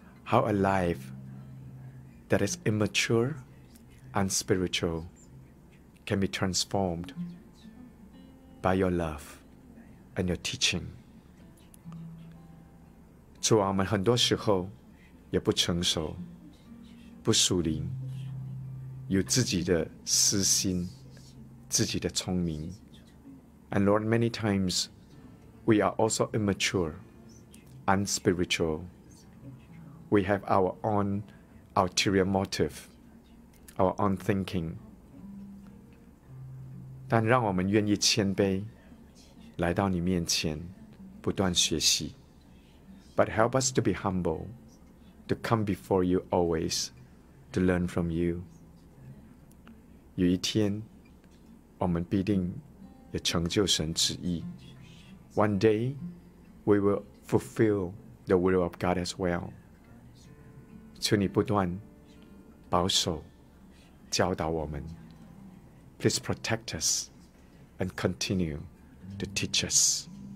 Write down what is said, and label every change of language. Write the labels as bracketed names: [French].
[English] How a life that is immature and spiritual can be transformed by your love and your teaching. [Chinese] 主啊，我们很多时候也不成熟，不属灵，有自己的私心，自己的聪明。 [English] And Lord, many times we are also immature and spiritual. We have our own ulterior motive, our own thinking. [Chinese] 但让我们愿意谦卑，来到你面前，不断学习。 [English] But help us to be humble, to come before you always, to learn from you. [Chinese] 有一天，我们必定也成就神旨意。 [English] One day, we will fulfill the will of God as well. [Chinese] 求你不断保守教导我们 [English] Please protect us and continue to teach us